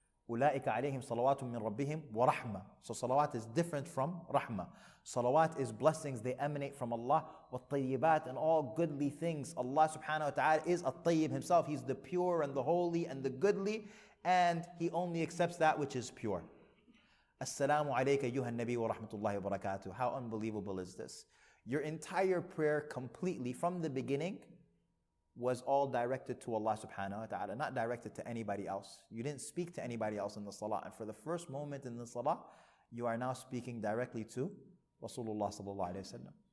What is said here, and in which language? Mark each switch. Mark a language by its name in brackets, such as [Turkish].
[Arabic] أولئك عليهم صلوات من ربهم ورحمة. [English] So salawat is different from rahma. Salawat is blessings, they emanate from Allah. [Arabic] والطيبات [English] and all goodly things. Allah subhanahu wa ta'ala is الطيب himself. He's the pure and the holy and the goodly. And he only accepts that which is pure. [Arabic] السلام عليك أيها النبي ورحمة الله وبركاته. [English] How unbelievable is this? Your entire prayer completely from the beginning was all directed to Allah subhanahu wa ta'ala, not directed to anybody else. You didn't speak to anybody else in the salah. And for the first moment in the salah, you are now speaking directly to Rasulullah sallallahu alayhi wa sallam.